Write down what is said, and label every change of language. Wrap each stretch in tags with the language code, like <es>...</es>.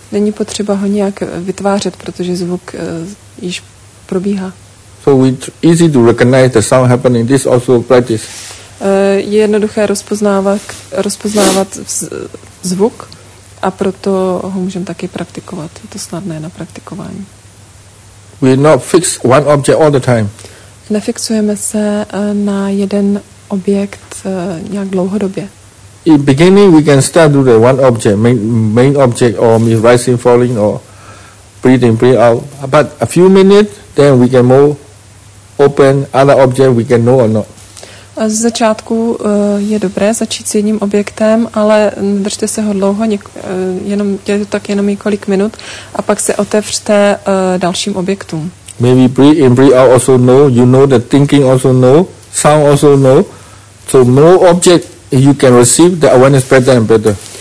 <cs>Není potřeba ho nějak vytvářet, protože zvuk již probíhá.</cs> <en>So it's easy to recognize the sound happening. This also practice.</en> <cs>Je jednoduché rozpoznávat zvuk a proto ho můžeme taky praktikovat. Je to snadné na praktikování.</cs> <en>We not fix one object all the time.</en> <cs>Nefixujeme se na jeden objekt nějak dlouhodobě.</cs> <en>In beginning we can start with one object, main object or rising, falling or breathing out. But a few minutes, then we can move. Open other object we can know or not.</en> <cs>Z začátku je dobré začít s jedním objektem, ale držte se ho dlouho, jenom několik minut a pak se otevřte dalším objektům.</cs> <en>Maybe breathe in, breathe out also know, you know the thinking also know, sound also know. So more object you can receive, the awareness better and better.</en>